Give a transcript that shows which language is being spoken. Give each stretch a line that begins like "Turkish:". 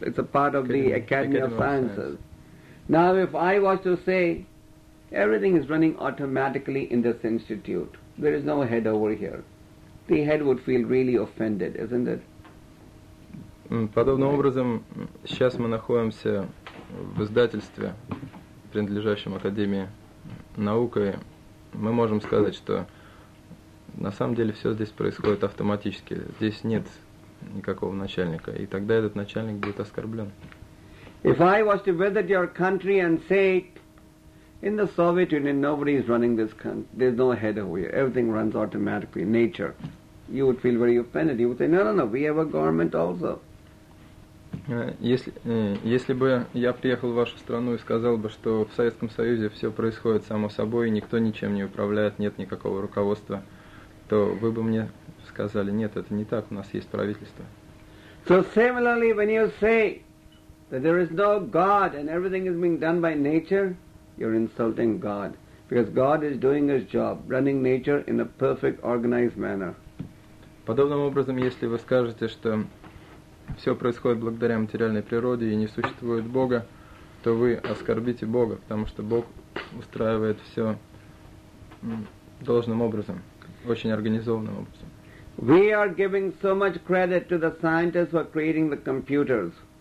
English: It's a part of the Academy of Sciences. Now, if I was to say, everything is running automatically in this institute. There is no head over here. The head would feel really offended, isn't it?
Russian: Подобным образом, сейчас мы находимся в издательстве, принадлежащем Академии наук, и мы можем сказать, что на самом деле все здесь происходит автоматически. Здесь нет никакого начальника. И тогда этот начальник будет оскорблен.
English: If I was to visit your country and say, in the Soviet Union, nobody is running this country. There's no head over here. Everything runs automatically, nature. You would feel very offended. You would say, no, we have a government also.
Russian: Если бы я приехал в вашу страну и сказал бы, что в Советском Союзе все происходит само собой, никто ничем не управляет, нет никакого руководства, то вы бы мне сказали, нет, это не так, у нас есть правительство.
English: So similarly, when you say that there is no God and everything is being done by nature, you're insulting God, because God is doing His job, running nature in a perfect, organized manner.
Russian: Подобным образом, если вы скажете, что все происходит благодаря материальной природе и не существует Бога, то вы оскорбите Бога, потому что Бог устраивает все должным образом, очень организованным образом.
English: We are giving so much credit to the scientists for creating the computers.